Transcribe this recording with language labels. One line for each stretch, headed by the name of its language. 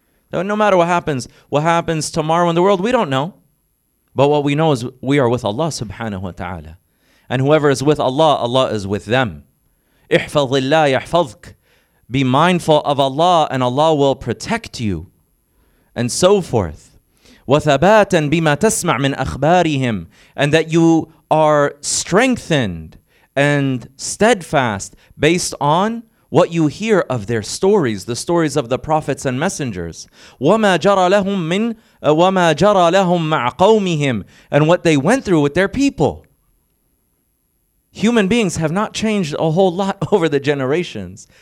English: That no matter what happens tomorrow in the world, we don't know. But what we know is we are with Allah subhanahu wa ta'ala. And whoever is with Allah, Allah is with them.
Arabic: احفظ الله يحفظك.
English: Be mindful of Allah and Allah will protect you. And so forth.
Arabic: وثباتاً بما تسمع من أخبارهم.
English: And that you are strengthened and steadfast based on what you hear of their stories, the stories of the prophets and messengers.
Arabic: وَمَا جَرَى لَهُمْ مِنْ وَمَا جَرَى لَهُمْ مَعْ قَوْمِهِمْ.
English: And what they went through with their people. Human beings have not changed a whole lot over the generations.